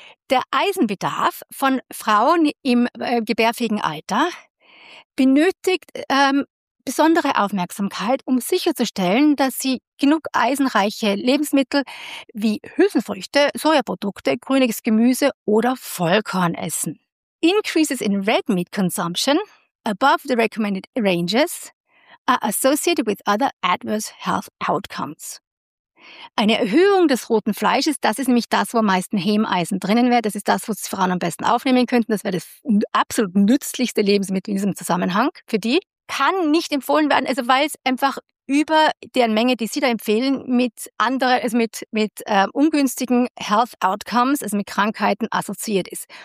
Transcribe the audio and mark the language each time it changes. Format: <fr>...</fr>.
<de>Der Eisenbedarf von Frauen im gebärfähigen Alter benötigt besondere Aufmerksamkeit, um sicherzustellen, dass sie genug eisenreiche Lebensmittel wie Hülsenfrüchte, Sojaprodukte, grünes Gemüse oder Vollkorn essen.</de> <en>Increases in red meat consumption above the recommended ranges are associated with other adverse health outcomes.</en> <de>Eine Erhöhung des roten Fleisches, das ist nämlich das, wo am meisten Hemeisen drinnen wäre. Das ist das, was Frauen am besten aufnehmen könnten. Das wäre das absolut nützlichste Lebensmittel in diesem Zusammenhang für die. Kann nicht empfohlen werden, also weil es einfach über deren Menge, die sie da empfehlen, mit anderen, also mit ungünstigen Health Outcomes, also mit Krankheiten assoziiert ist.</de>